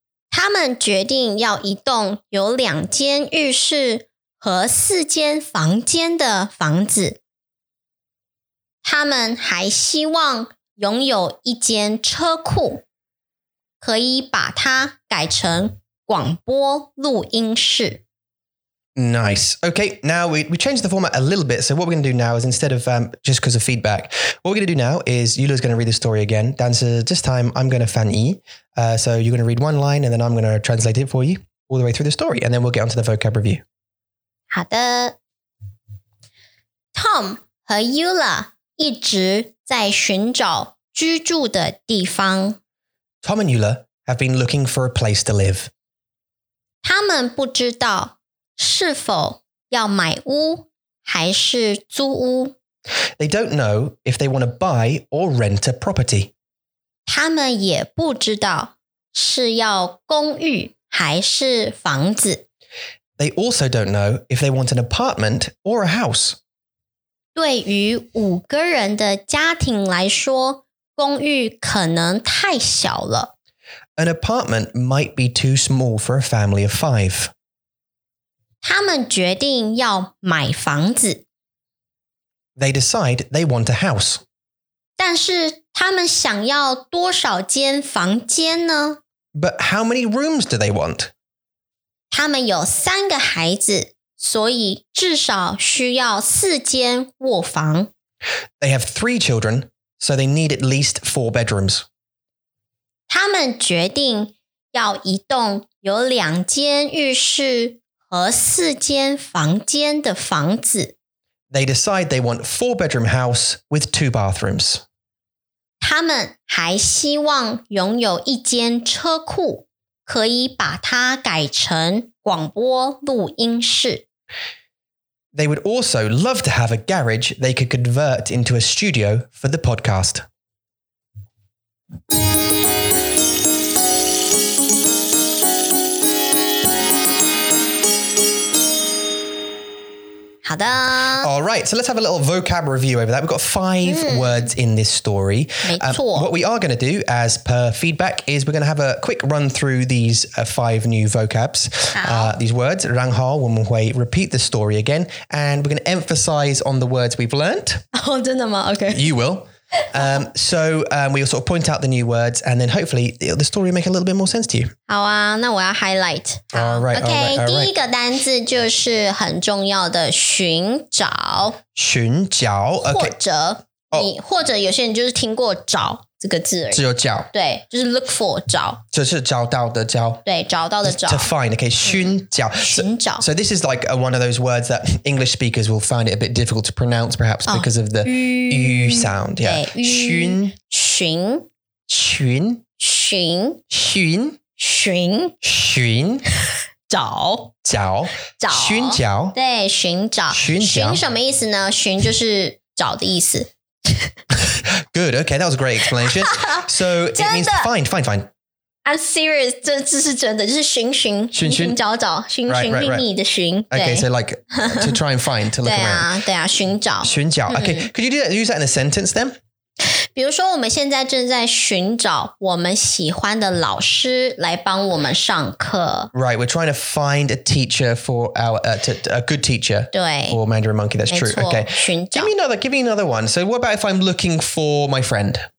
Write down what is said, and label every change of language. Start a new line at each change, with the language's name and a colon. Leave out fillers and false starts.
Chinese: 他们决定要一栋有两间浴室和四间房间的房子。他们还希望拥有一间车库，可以把它改成广播录音室。
English: Nice. Okay, now we changed the format a little bit. So what we're going to do now is instead of just because of feedback, what we're going to do now is Yula's going to read the story again. Dan, so this time I'm going to
Chinese: fan yi.
English: So you're going to read one line and then I'm going to translate it for you all the way through the story. And then we'll get onto the vocab review.
Chinese: 好的。Tom 和 Yula 一直在寻找居住的地方。
English: Tom and Yula have been looking for a place to live.
Chinese: 他们不知道是否要买屋还是租屋。
English: They don't know if they want to buy or rent a property.
Chinese: 他们也不知道是要公寓还是房子。
English: They also don't know if they want an apartment or a house.
Chinese: 对于五个人的家庭来说，公寓可能太小了。
English: An apartment might be too small for a family of five.
Chinese: 他们决定要买房子。
English: They decide they want a house.
Chinese: 但是他们想要多少间房间呢？
English: But how many rooms do they want?
Chinese: 他们有三个孩子，所以至少需要四间卧房。
English: They have three children, so they need at least four bedrooms.
Chinese: 他们决定要一栋有两间浴室和四间房间的房子。
English: They decide they want four bedroom house with two bathrooms.
Chinese: 他们还希望拥有一间车库。可以把它改成广播录音室。
English: They would also love to have a garage they could convert into a studio for the podcast.
Chinese: 好的。
English: All right, so let's have a little vocab review over that. We've got five words in this story.
Chinese: 没错。
English: What we are going to do as per feedback is we're going to have a quick run through these five new vocabs, these words,
Chinese: 然后我们会
English: repeat the story again, and we're going to emphasize on the words we've learnt. Oh,
Chinese: 真的吗?
English: Okay. You will. So we'll sort of point out the new words and then hopefully the story will make a little bit more sense to you.
Chinese: 好啊，那我要 highlight.
English: All right.
Chinese: 第一个单字就是很重要的寻找。寻找
English: okay.
Chinese: 或者、
English: oh.
Chinese: 你或者有些人就是听过找这个字而已。只有找。对，就是
English: look for,
Chinese: 找。就是找到的找。对，找到的找。
English: To find, okay,
Chinese: 寻找。寻找。
English: So this is like a, one of those words that English speakers will find it a bit difficult to pronounce perhaps because of the U sound. Yeah.
Chinese: 寻。寻。寻。寻。寻。寻。寻。找。找。找。寻找。对，寻找。寻找。寻什么意思呢？寻就是找的意思。
English: Good, okay, that was a great explanation. So it means find.
Chinese: I'm serious, 这是真的,就是寻寻, 寻寻找找,寻寻觅觅的寻。
English: Okay, so like to try and find, to look around.
Chinese: 对啊,寻找。寻找,
English: okay, could you do that, use that in a sentence then?
Chinese: 比如说我们现在正在寻找我们喜欢的老师来帮我们上课。
English: Right, we're trying to find a teacher for our, a good teacher.
Chinese: 对。
English: Or Mandarin Monkey, that's true. Okay.
Chinese: 寻找。
English: Give me another one. So what about if I'm looking for my friend?